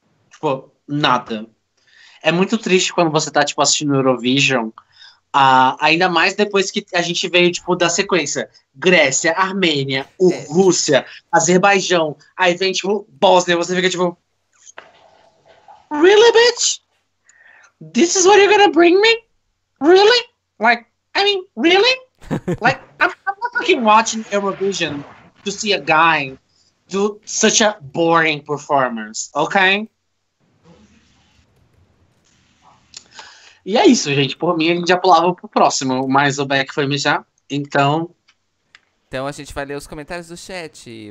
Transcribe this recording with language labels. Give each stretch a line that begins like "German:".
Portuguese: Tipo, nada. É muito triste quando você tá, tipo, assistindo Eurovision, ainda mais depois que a gente veio, tipo, da sequência. Grécia, Armênia, Rússia, Azerbaijão, aí vem, tipo, Bósnia, você fica, tipo,
English: Really, bitch? This is what you're gonna bring me? Really? Like, I mean, really? Like, I'm not fucking watching Eurovision to see a guy do such a boring performance, ok?
Portuguese: E é isso, gente. Por mim, a gente já pulava pro próximo, mas o Beck foi mijar. Então. Então a gente vai ler os comentários do chat.